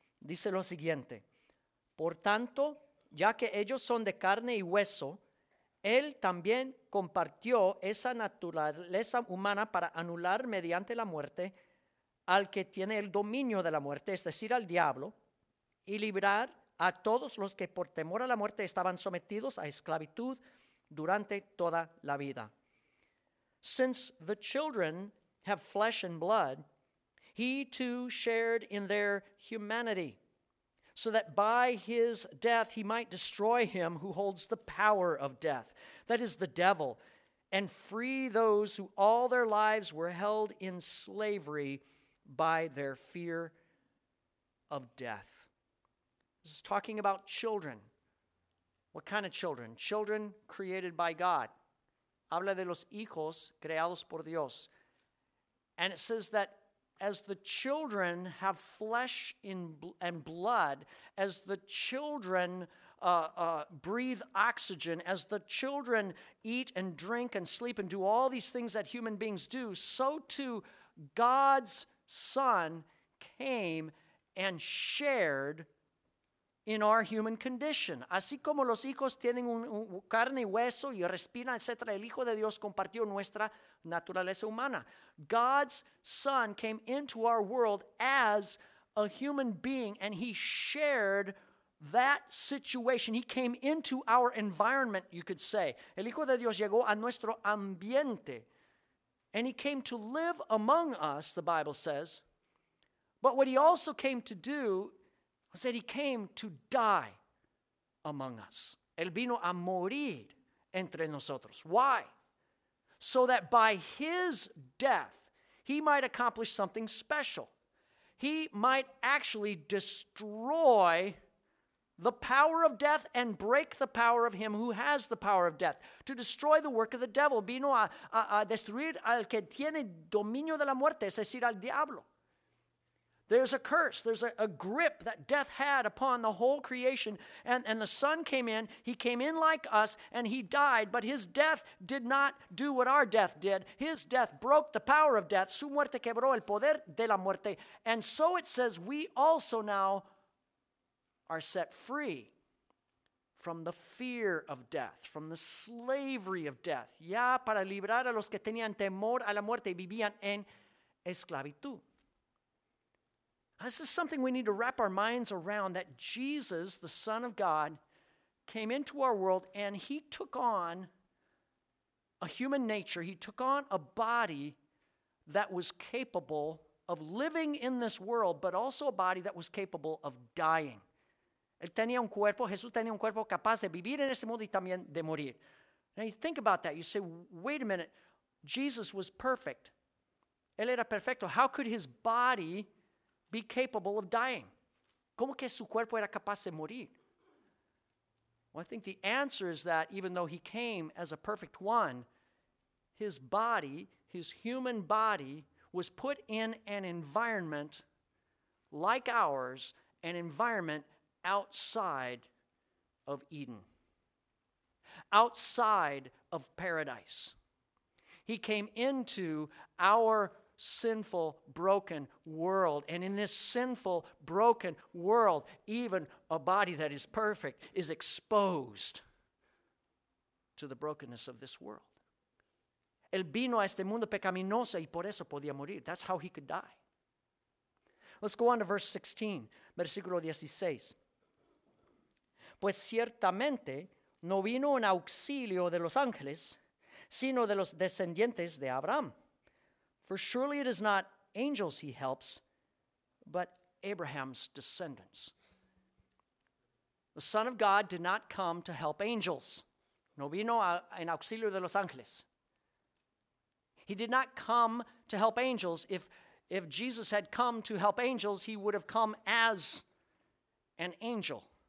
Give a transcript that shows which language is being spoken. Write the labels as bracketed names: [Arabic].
[Spanish] Dice lo siguiente: Por tanto, ya que ellos son de carne y hueso, Él también compartió esa naturaleza humana para anular mediante la muerte al que tiene el dominio de la muerte, es decir, al diablo, y librar a todos los que por temor a la muerte estaban sometidos a esclavitud durante toda la vida. [English] Since the children have flesh and blood, he too shared in their humanity, so that by his death he might destroy him who holds the power of death, that is the devil, and free those who all their lives were held in slavery by their fear of death. This is talking about children. What kind of children? Children created by God. [Spanish] Habla de los hijos creados por Dios. [English] And it says that as the children have flesh and blood, as the children breathe oxygen, as the children eat and drink and sleep and do all these things that human beings do, so too God's Son came and shared in our human condition. [Spanish] Así como los hijos tienen carne y hueso y respiran, etc., el Hijo de Dios compartió nuestra naturaleza humana. [English] God's Son came into our world as a human being, and he shared that situation. He came into our environment, you could say. [Spanish] El Hijo de Dios llegó a nuestro ambiente, [English] and he came to live among us, the Bible says. But what he also came to do was that he came to die among us. [Spanish] Él vino a morir entre nosotros. [English] Why? So that by his death, he might accomplish something special. He might actually destroy the power of death and break the power of him who has the power of death. To destroy the work of the devil. [Spanish] Vino a destruir al que tiene dominio de la muerte, es decir, al diablo. [English] There's a curse. There's a grip that death had upon the whole creation. And the Son came in. He came in like us and he died. But his death did not do what our death did. His death broke the power of death. [Spanish] Su muerte quebró el poder de la muerte. [English] And so it says we also now are set free from the fear of death, from the slavery of death. [Spanish] Ya para librar a los que tenían temor a la muerte vivían en esclavitud. [English] This is something we need to wrap our minds around, that Jesus, the Son of God, came into our world and he took on a human nature. He took on a body that was capable of living in this world, but also a body that was capable of dying. [Spanish] Él tenía un cuerpo, Jesús tenía un cuerpo capaz de vivir en ese mundo y también de morir. [English] Now you think about that. You say, wait a minute, Jesus was perfect. [Spanish] Él era perfecto. [English] How could his body be capable of dying? [Spanish] ¿Cómo que su cuerpo era capaz de morir? [English] Well, I think the answer is that even though he came as a perfect one, his body, his human body, was put in an environment like ours, an environment outside of Eden, outside of paradise. He came into our sinful, broken world. And in this sinful, broken world, even a body that is perfect is exposed to the brokenness of this world. [Spanish] Él vino a este mundo pecaminoso y por eso podía morir. [English] That's how he could die. Let's go on to verse 16, [Spanish] versículo 16. Pues ciertamente no vino en auxilio de los ángeles, sino de los descendientes de Abraham. [English] For surely it is not angels he helps, but Abraham's descendants. The Son of God did not come to help angels. [Spanish] No vino en auxilio de los ángeles. [English] He did not come to help angels. If Jesus had come to help angels, he would have come as an angel.